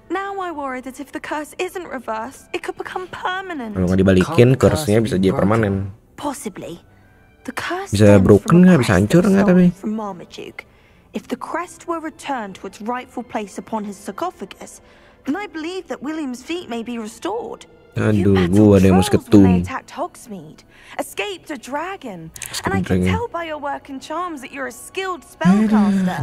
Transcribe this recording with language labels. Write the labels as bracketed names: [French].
[English] Now I worry that if the curse isn't reversed, it could become permanent. [Indonesian] Kalau nggak dibalikin, curse-nya bisa jadi permanen. [English] Possibly. The curse [Indonesian] bisa broken nggak? Bisa hancur nggak tapi? [English] From Marmaduke. If the crest were returned to its rightful place upon his sarcophagus, then I believe that William's feet may be restored. [Indonesian] Aduh, gua ada yang mesti ketum. [English] Escaped a dragon. And I can tell by your work and charms that you're a skilled spellcaster.